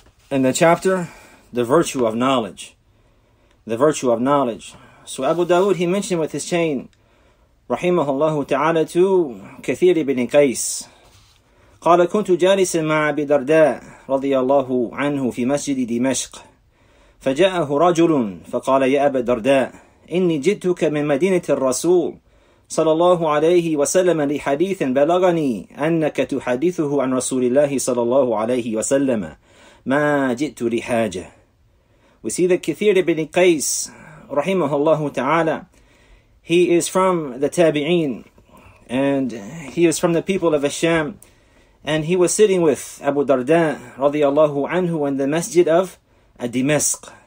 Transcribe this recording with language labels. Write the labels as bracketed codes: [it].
[en] In the chapter, the virtue of knowledge. So Abu Dawood, he mentioned with his chain, rahimahullahu ta'ala, to Kathir ibn Qais, [ar] قَالَ كُنْتُ جَالِسًا مَعَ أَبِي دَرْدَاءَ رَضِيَ اللَّهُ عَنْهُ فِي مَسْجِدِ دِمَشْقَ فَجَاءَهُ رَجُلٌ فَقَالَ يَا أَبَا دَرْدَاءَ إِنِّي جِئْتُكَ مِنْ مَدِينَةِ الرَّسُولِ صَلَى اللَّهُ عَلَيْهِ وَسَلَّمَ لِحَدِيثٍ بَلَغَنِي أَنَّكَ تُحَدِّثُهُ عَنْ رَسُولِ اللَّهِ صَلَى اللَّهُ عَلَيْهِ وَسَلَّمَ مَا جِئْتُ لِحَاجَةٍ. [en] We see that Kathir ibn Qais, rahimahullahu ta'ala, he is from the Tabi'een, and he is from the people of Asham, and he was sitting with Abu Darda, radiyallahu anhu, in the masjid of Dimashq.